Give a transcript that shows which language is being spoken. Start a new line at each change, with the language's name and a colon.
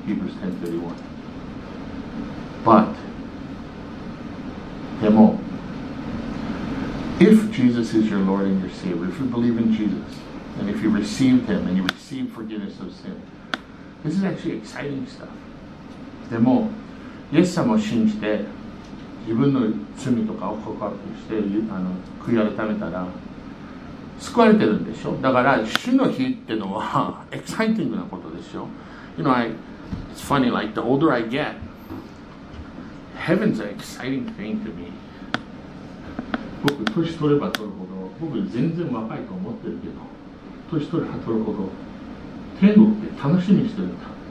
English: Hebrews 10:31。 But
Japanese: でも
English: If Jesus is your Lord and your Savior, if you believe in Jesus and if you receive Him and you receive forgiveness of sin, this is actually exciting stuff.
Japanese: でもイエス様を信じて自分の罪とかを告白して悔い改めたら救われてるんでしょ。だから主の日ってのはエキサイティングなことでしょ。
English: You know, it's funny, like the older I get, heaven's an exciting thing to me.
Japanese: 僕年取れば取るほど、僕全然若いと思ってるけど、年取れば取るほど天国って楽しみにしてるんだ。